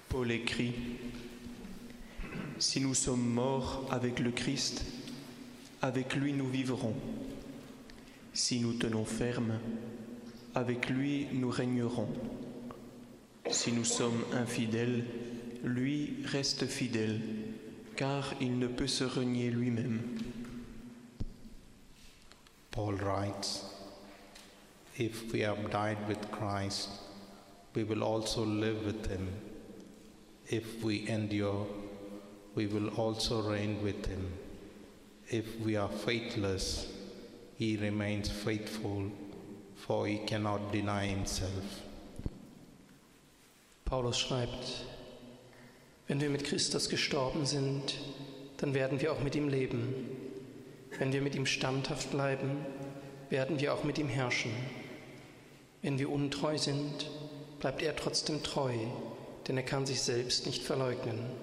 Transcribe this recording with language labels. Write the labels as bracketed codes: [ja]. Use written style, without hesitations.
[fr] écrit, si nous sommes morts avec le Christ, avec lui nous vivrons. Si nous tenons ferme, avec lui nous régnerons. Si nous sommes infidèles, lui reste fidèle, car il ne peut se renier lui-même. [en] Paul writes, if we have died with Christ, we will also live with him. If we endure, we will also reign with him. If we are faithless, he remains faithful, for he cannot deny himself. [de] Paulus schreibt, wenn wir mit Christus gestorben sind, dann werden wir auch mit ihm leben. Wenn wir mit ihm standhaft bleiben, werden wir auch mit ihm herrschen. Wenn wir untreu sind, bleibt er trotzdem treu, denn er kann sich selbst nicht verleugnen.